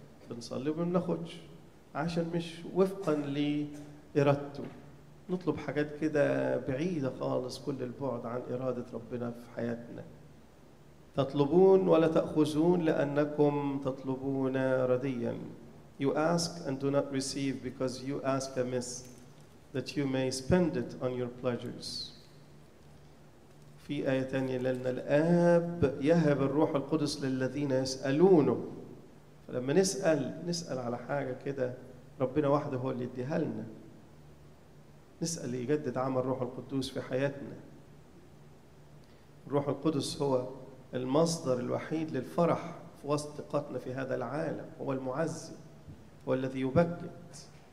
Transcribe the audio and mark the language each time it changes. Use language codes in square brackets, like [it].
[ar] بنصلي وبناخدش عشان مش وفقا لإرادته. نطلب حاجات كده بعيدة خالص كل البعد عن إرادة ربنا في حياتنا. تطلبون ولا تأخذون لأنكم تطلبون رديا. [en] You ask and do not receive because you ask amiss that you may spend it on your pleasures. [ar] في آية تانية: لأن الآب يهب الروح القدس للذين يسألونه. فلما نسأل، نسأل على حاجة كده ربنا وحده هو اللي يديها لنا. نسأل يجدد عمل الروح القدس في حياتنا. الروح القدس هو المصدر الوحيد للفرح في وسط ثقتنا في هذا العالم، هو المعزي، هو الذي يبكت.